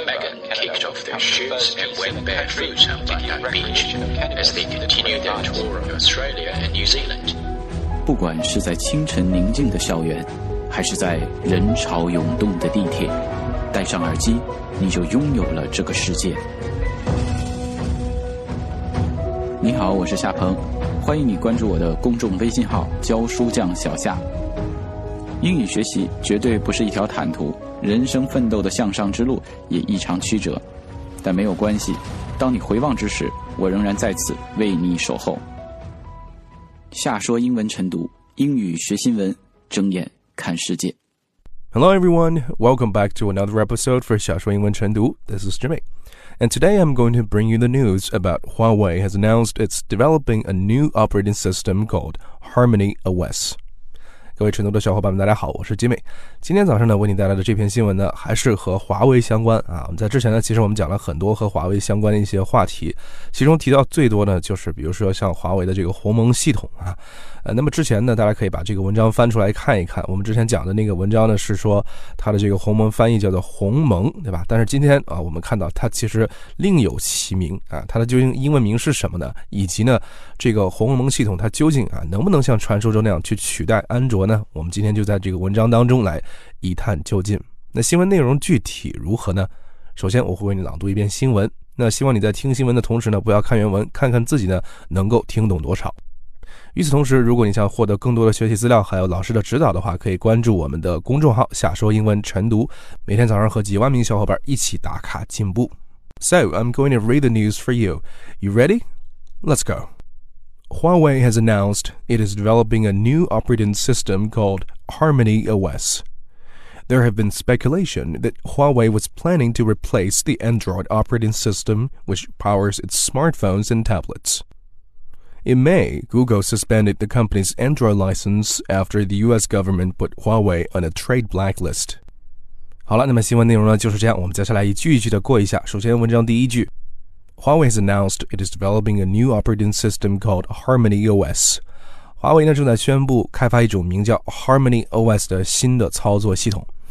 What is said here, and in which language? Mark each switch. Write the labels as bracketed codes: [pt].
[en] Megan kicked off their shoes and went barefoot on Bundang Beach as they continued their tour of Australia and New Zealand. [zh] 不管是在清晨宁静的校园，还是在人潮涌动的地铁，戴上耳机，你就拥有了这个世界。你好，我是夏鹏，欢迎你关注我的公众微信号教书匠小夏。英语学习绝对不是一条坦途，人生奋斗的向上之路也异常曲折，但没有关系，当你回望之时，我仍然在此为你守候。夏说英文晨读，英语学新闻，睁眼看世界。 [en] Hello everyone, welcome back to another episode for 夏说英文晨读。This is Jimmy. And today I'm going to bring you the news about Huawei has announced it's developing a new operating system called Harmony OS. [zh] 各位晨读的小伙伴们大家好，我是吉美。今天早上呢为你带来的这篇新闻呢还是和华为相关啊。我们在之前呢其实我们讲了很多和华为相关的一些话题，其中提到最多呢就是比如说像华为的这个鸿蒙系统啊。那么之前呢大家可以把这个文章翻出来看一看，我们之前讲的那个文章呢是说它的这个鸿蒙翻译叫做鸿蒙，对吧？但是今天啊我们看到它其实另有其名啊，它的究竟英文名是什么呢，以及呢这个鸿蒙系统它究竟啊能不能像传说中那样去取代安卓呢，我们今天就在这个文章当中来一探究竟。那新闻内容具体如何呢？首先我会为你朗读一遍新闻，那希望你在听新闻的同时呢不要看原文，看看自己呢能够听懂多少。与此同时，如果你想获得更多的学习资料还有老师的指导的话，可以关注我们的公众号夏说英文晨读，每天早上和几万名小伙伴一起打卡进步。 [en] So I'm going to read the news for you. You ready? Let's go. Huawei has announced it is developing a new operating system called Harmony OS. There have been speculation that Huawei was planning to replace the Android operating system which powers its smartphones and tablets. In May, Google suspended the company's Android license after the U.S. government put Huawei on a trade blacklist. [zh] 好了，那么新闻内容呢就是这样，我们接下来一句一句的过一下。首先，文章第一句 [en] ，Huawei has announced it is developing a new operating system called Harmony OS. [zh] 华为呢正在宣布开发一种名叫 Harmony OS 的新的操作系统。